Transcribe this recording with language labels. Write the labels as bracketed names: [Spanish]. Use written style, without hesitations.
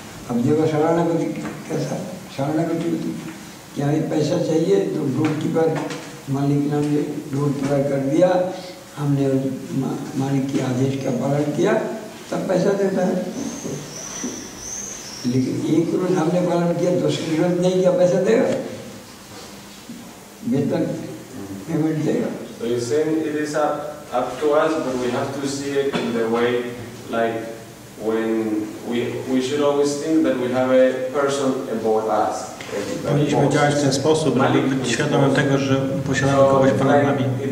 [Hindi] अब जब शरणागति कैसा शरणागति होती क्या ये पैसा चाहिए तो डोर कीपर मालिक ने हमने डोर कीपर कर दिया हमने मालिक के आदेश का पालन किया तब पैसा देता है। लेकिन एक रोज हमने पालन किया दूसरे रोज नहीं किया पैसा देगा वेतन पेमेंट देगा? [English] So you're saying it is up to us, but we have to see it in the way, like when we should always think that we have a person above us. [Polish] Powinniśmy działać w ten sposób, ale świadomym tego, że posiadamy kogoś ponad nami.